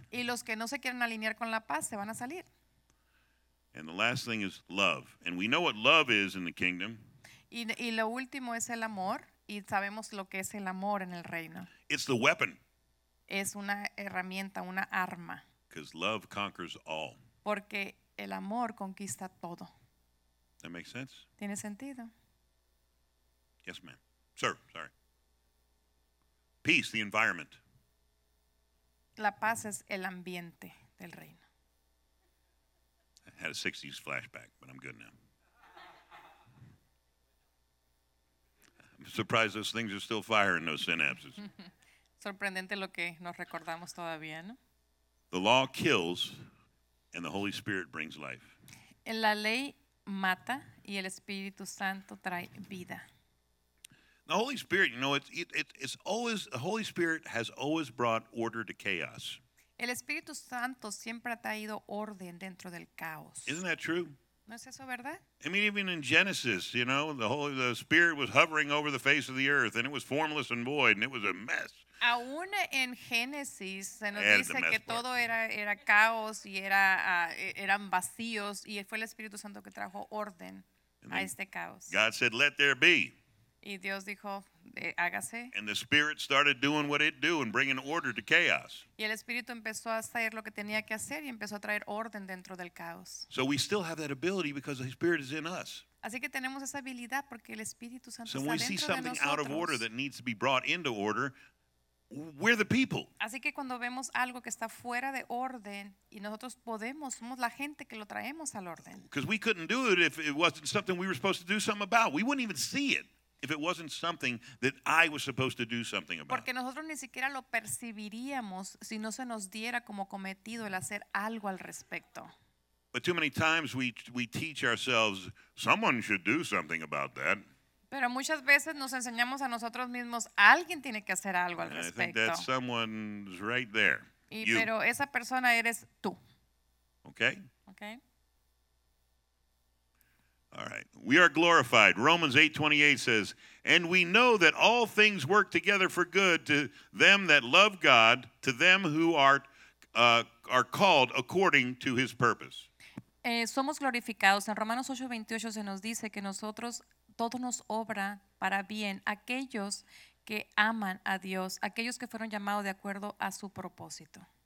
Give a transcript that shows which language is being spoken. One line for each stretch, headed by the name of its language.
Spanish: Y los que no se quieren alinear con la paz se van a salir.
English: And the last thing is love. And we know what love is in the kingdom.
Spanish: Y lo último es el amor. Y sabemos lo que es el amor en el reino.
English: It's the weapon.
Spanish: Es una herramienta, una arma.
English: Because love conquers all.
Spanish: Porque el amor conquista todo.
English: That makes sense?
Spanish: ¿Tiene sentido?
English: Yes, ma'am. Sir, sorry. Peace, the environment.
Spanish: La paz es el ambiente del reino.
English: I had a 60s flashback, but I'm good now. I'm surprised those things are still firing, those synapses.
Spanish: Sorprendente lo que nos recordamos todavía, ¿no?
English: The law kills, and the Holy Spirit brings life.
Spanish: La ley mata, y el Espíritu Santo trae vida.
English: The Holy Spirit, you know, it's always, the Holy Spirit has always brought order to chaos.
Spanish: El Espíritu Santo siempre ha traído orden dentro del caos.
English: Isn't that true?
Spanish: ¿No es eso verdad?
English: I mean, even in Genesis, you know, the Spirit was hovering over the face of the earth, and it was formless and void, and it was a mess.
Spanish: Aún en Génesis se nos dice que todo era caos y eran vacíos, y fue el Espíritu Santo que trajo orden a este caos.
English: God said, let there be.
Spanish: Y Dios dijo, hágase.
English: And the Spirit started doing what it do and bringing order to chaos.
Spanish: Y el Espíritu empezó a hacer lo que tenía que hacer y empezó a traer orden dentro del caos.
English: So we still have that ability because the Spirit is in us.
Spanish: Así que tenemos esa habilidad porque el Espíritu Santo está dentro de nosotros.
English: So when we see something out of order that needs to be brought into order, we're the people.
Spanish: Así que cuando vemos algo que está fuera de orden y nosotros podemos, somos la gente que lo traemos al orden.
English: Because we couldn't do it if it wasn't something we were supposed to do something about. We wouldn't even see it if it wasn't something that I was supposed to do something about.
Spanish: Porque nosotros ni siquiera lo percibiríamos si no se nos diera como cometido el hacer algo al respecto.
English: But too many times we teach ourselves someone should do something about that.
Spanish: Pero muchas veces nos enseñamos a nosotros mismos alguien tiene que hacer algo al respecto.
English: I think that someone's right there. You.
Spanish: Pero esa persona eres tú.
English: Okay. Okay. All right. We are glorified. Romans 8:28 says, and we know that all things work together for good to them that love God, to them who are called according to his purpose.
Spanish: Somos glorificados. En Romanos 8:28 se nos dice que nosotros todo nos obra para bien aquellos que aman a Dios, aquellos que fueron llamados de acuerdo a su propósito.